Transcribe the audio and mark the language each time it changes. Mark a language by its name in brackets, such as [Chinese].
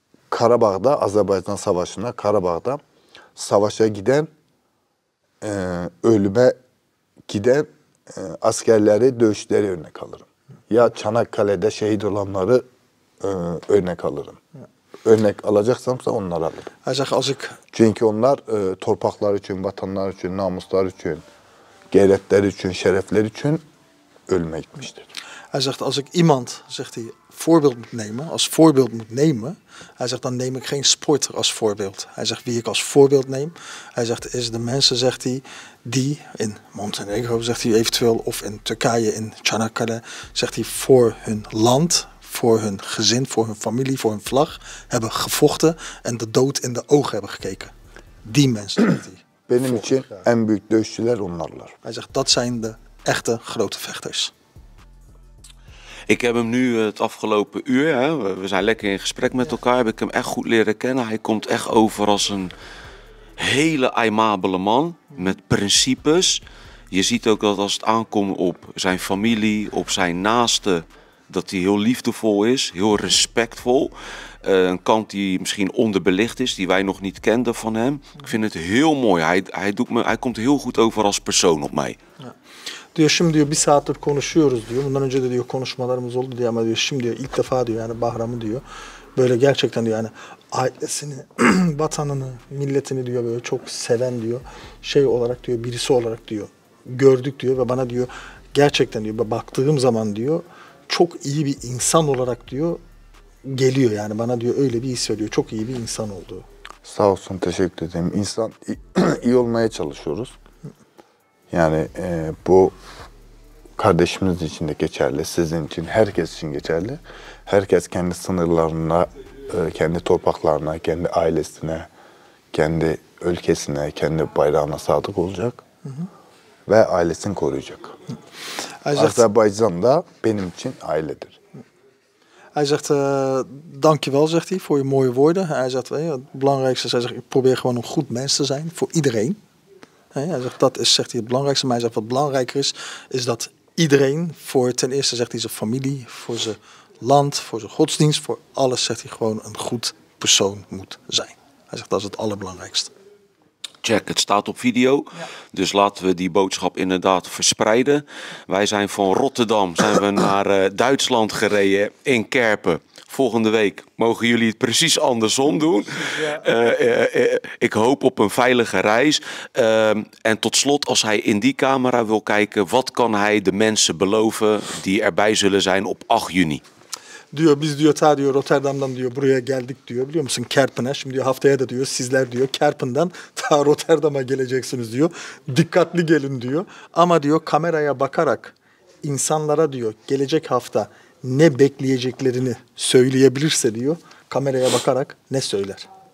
[Turkish] Karabağ'da, Azerbaycan Savaşı'na, Karabağ'da savaşa giden, ölüme giden askerleri, dövüşçüleri örnek alırım. Ya Çanakkale'de şehit olanları örnek alırım. Örnek alacaksam da onları alırım. Acak azık. Çünkü onlar torpaklar için, vatanlar için, namuslar için, gayretler için, şerefler için ölüme gitmiştir. [Dutch] Hij zegt, als ik iemand, zegt hij, voorbeeld moet nemen, als voorbeeld moet nemen, hij zegt, dan neem ik geen sporter als voorbeeld. Hij zegt, wie ik als voorbeeld neem, hij zegt, is de mensen, zegt hij, die in Montenegro, zegt hij eventueel, of in Turkije, in Çanakkale, zegt hij, voor hun land, voor hun gezin, voor hun familie, voor hun vlag, hebben gevochten en de dood in de ogen hebben gekeken. Die mensen, zegt hij. [Turkish] Benim için en büyük dövüşçüler onlarlar. [Dutch] Hij zegt, dat zijn de echte grote vechters. Ik heb hem nu het afgelopen uur, hè, we zijn lekker in gesprek met elkaar, heb ik hem echt goed leren kennen. Hij komt echt over als een hele aimabele man met principes. Je ziet ook dat als het aankomt op zijn familie, op zijn naasten, dat hij heel liefdevol is, heel respectvol. Een kant die misschien onderbelicht is, die wij nog niet kenden van hem. Ik vind het heel mooi. Hij komt heel goed over als persoon op mij. [Turkish] Diyor şimdi diyor bir saattir konuşuyoruz diyor. Bundan önce de diyor konuşmalarımız oldu diyor ama diyor şimdi diyor ilk defa diyor yani Bahram'ı diyor. Böyle gerçekten diyor yani ailesini, vatanını, milletini diyor böyle çok seven diyor. Şey olarak diyor birisi olarak diyor gördük diyor ve bana diyor gerçekten diyor baktığım zaman diyor çok iyi bir insan olarak diyor geliyor yani bana diyor öyle bir his veriyor. Çok iyi bir insan oldu. Sağ olsun teşekkür ederim. İnsan iyi olmaya çalışıyoruz. Yani bu kardeşimiz için de geçerli, sizin için, herkes için geçerli. Herkes kendi sınırlarına, kendi topraklarına, kendi ailesine, kendi ülkesine, kendi bayrağına sadık olacak. Ve ailesini koruyacak. Azerbaycan da benim için ailedir. [Dutch] Hij zegt, dankjewel, zegt hij, voor je mooie woorden. Hij zegt, het belangrijkste is, hij zegt, ik probeer gewoon een goed mens te zijn voor iedereen. Hij zegt, dat is, zegt hij, het belangrijkste. Maar hij zegt, wat belangrijker is, is dat iedereen voor ten eerste, zegt hij, zijn familie, voor zijn land, voor zijn godsdienst, voor alles zegt hij gewoon een goed persoon moet zijn. Hij zegt dat is het allerbelangrijkste. Check, het staat op video. Ja. Dus laten we die boodschap inderdaad verspreiden. Wij zijn van Rotterdam zijn we naar Duitsland gereden in Kerpen. Volgende week mogen jullie het precies andersom doen. Ja. Ik hoop op een veilige reis. En tot slot, als hij in die camera wil kijken, wat kan hij de mensen beloven die erbij zullen zijn op 8 juni? [Turkish] Diyor biz diyor ta diyor Rotterdam'dan diyor buraya geldik diyor biliyor musun Kerpen'e şimdi diyor haftaya da diyor sizler diyor Kerpen'den ta Rotterdam'a geleceksiniz diyor dikkatli gelin diyor ama diyor kameraya bakarak insanlara diyor gelecek hafta ne bekleyeceklerini söyleyebilirse diyor kameraya bakarak ne söyler?